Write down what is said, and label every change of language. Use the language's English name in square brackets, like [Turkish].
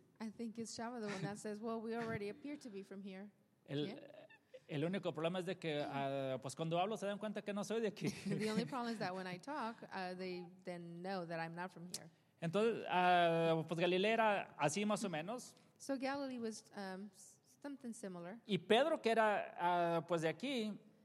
[English] I think it's Chavo the one that says, well, we already appear to be from here. [Spanish] El único problema es de que, pues cuando hablo se dan cuenta que no soy de aquí. [English] The only problem is that when I talk, they then know that I'm not from here. [Spanish] Entonces, pues Galilea era así más o menos. [English] So Galilee was Something similar. [Spanish] Y Pedro, que era pues de aquí,